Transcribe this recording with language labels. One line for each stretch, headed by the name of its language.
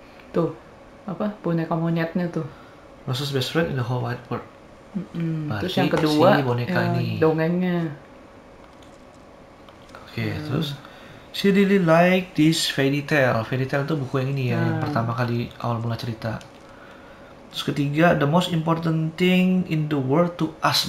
Indonesian: Tuh, apa? Boneka monyetnya tuh.
English: Rose's best friend in the whole wide world.
Indonesian: Terus yang kedua, si boneka ini. Dongengnya. Oke, terus
English: she really like this fairy tale.
Indonesian: Fairy tale itu buku yang ini ya, yang pertama kali awal mula cerita. Terus ketiga,
English: the most important thing in the world to us.